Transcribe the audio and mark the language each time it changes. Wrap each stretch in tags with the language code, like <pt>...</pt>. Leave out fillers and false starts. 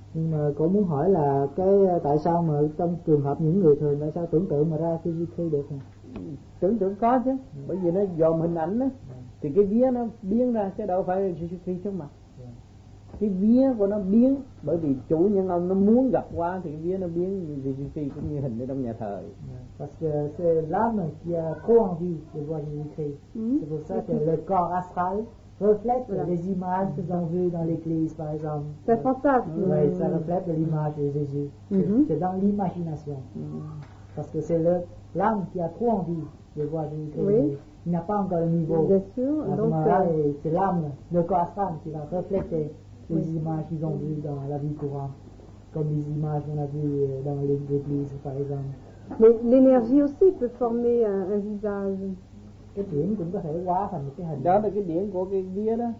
<vi>Nhưng mà cô muốn hỏi là cái tại sao mà trong trường hợp những người thường tại sao tưởng tượng mà ra Jesus Christ được? Tưởng tượng có chứ, bởi vì nó dòm hình ảnh đó. Thì cái vía nó biến ra chứ đâu phải Jesus Christ trước mặt. Cái vía của nó biến bởi vì chủ nhân ông nó muốn gặp qua thì cái vía nó biến như Jesus Christ cũng như hình ở trong nhà thờ.</vi> <fr>Parce que c'est l'âme qui a trop envie de voir Jesus Christ. C'est pour ça que le corps astral reflète les images qu'ils ont vues dans l'église par exemple. C'est fantastique. Oui, ça reflète l'image de Jésus. C'est dans l'imagination. Parce que c'est l'âme qui a trop envie de voir Jésus Christ. Il n'a pas encore le niveau. Bien sûr, donc c'est l'âme, le corps astral qui va refléter les images qu'ils ont vues dans la vie courante, comme les images qu'on a vues dans l'église, par exemple. Mais l'énergie aussi peut former un visage.</fr> <vi>Cái điểm cũng có thể hóa thành một cái hình. Đó là cái điểm của cái vía đó.</vi>